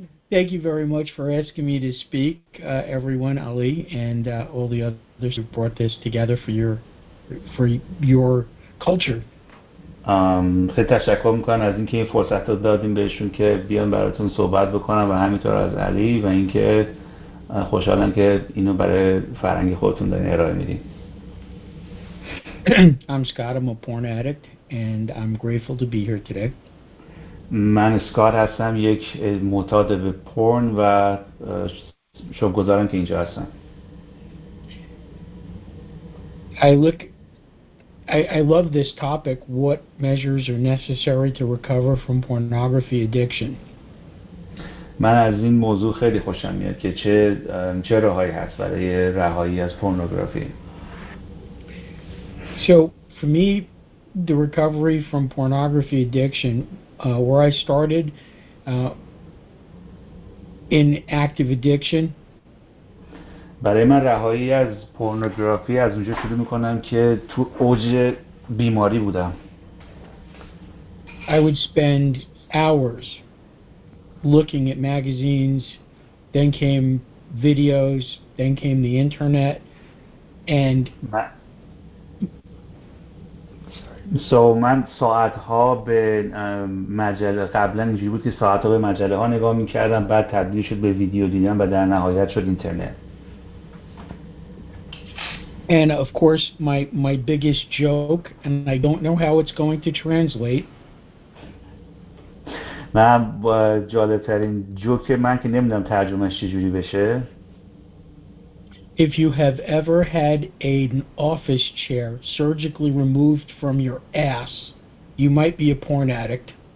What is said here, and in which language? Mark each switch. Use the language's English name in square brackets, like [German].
[English] Thank you very much for asking me to speak, everyone, Ali, and all the others who brought this together for your culture. [Persian] خیلی تشکر میکنم از اینکه این فرصت رو دادیم بهشون که بیان براتون صحبت بکنم و همینطور از علی و اینکه خوشحالم که اینو برای فرهنگ خودتون دارین ارائه میدین. [English] I'm Scott, I'm a porn addict and I'm grateful to be here today. [Persian] من اسکات هستم، یک معتاد به پورن و شکرگزارم که اینجا هستم. [English] I love this topic, what measures are necessary to recover from pornography addiction. [Persian] من از این موضوع خیلی خوشم میاد که چه راههایی هست برای رهایی از پورنوگرافی. [English] So for me, the recovery from pornography addiction, where I started in active addiction. [Persian] برای من رهایی از پورنوگرافی از اونجا شروع میکنم که تو اوج بیماری بودم. [English] I would spend hours looking at magazines, then came videos, then came the internet, and [Persian] من ساعت‌ها به مجله، قبلا اینجوری بود که ساعت‌ها به مجله‌ها نگاه می‌کردم، بعد تبدیل شد به ویدیو دیدن و در نهایت شد اینترنت. [English] And of course my biggest joke, and I don't know how it's going to translate. [Persian] من جالب‌ترین جوک من که نمی‌دونم ترجمه‌اش چجوری بشه. [English] If you have ever had an office chair surgically removed from your ass, you might be a porn addict.